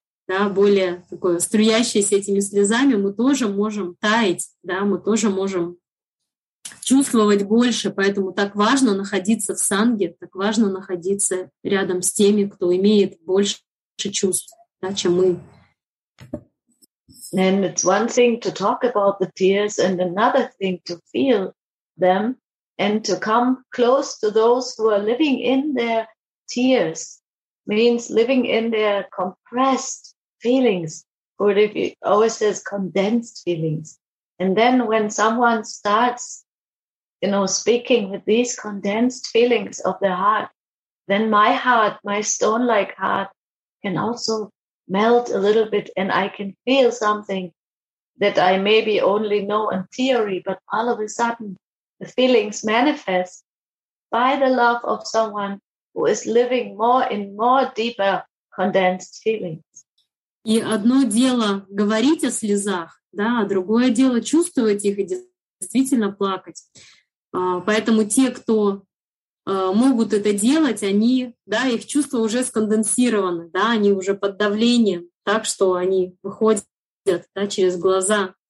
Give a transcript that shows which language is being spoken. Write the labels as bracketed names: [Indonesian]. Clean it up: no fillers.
[Russian] да, более такое струящееся этими слезами, мы тоже можем таять, да, мы тоже можем чувствовать больше, поэтому так важно находиться в санге, так важно находиться рядом с теми, кто имеет больше чувств, да, чем мы. [English] And it's one thing to talk about the tears and another thing to feel them and to come close to those who are living in their tears means living in their compressed feelings, or if it always says condensed feelings. And then when someone starts, you know, speaking with these condensed feelings of their heart, then my heart, my stone-like heart, can also melt a little bit, and I can feel something that I maybe only know in theory, but all of a sudden the feelings manifest by the love of someone who is living more in more deeper condensed feelings. [Russian] И одно дело говорить о слезах, да, а другое дело чувствовать их и действительно плакать. Поэтому те, кто могут это делать, они, да, их чувства уже сконденсированы, да, они уже под давлением, так что они выходят, да, через глаза.